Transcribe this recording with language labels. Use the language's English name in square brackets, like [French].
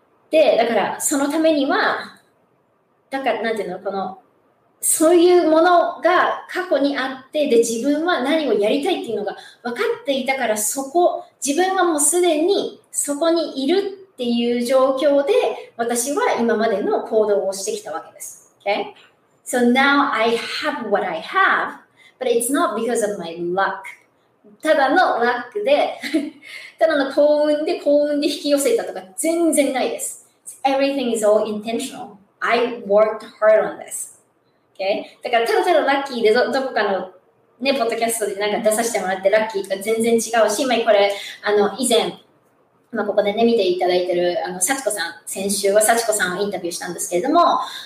[Japanese] で、だからそのためには、だからなんていうの、この、そういうものが過去にあって、で、自分は何をやりたいっていうのが分かっていたから、そこ、自分はもうすでにそこにいるっていう状況で、私は今までの行動をしてきたわけです。 [English] Okay? So now I have what I have, but it's not because of my luck. [Japanese] ただのラックで、ただの幸運で、幸運で引き寄せたとか全然ないです。 [English] Everything is all intentional. I worked hard on this. Okay? [Japanese] だからただただラッキーで どこかの、ね、ポッドキャストでなんか出させてもらってラッキーとか全然違うし、まあ、これ以前、まあ、ここで、ね、見ていただいてる幸子さん、先週は幸子さんをインタビューしたんですけれども、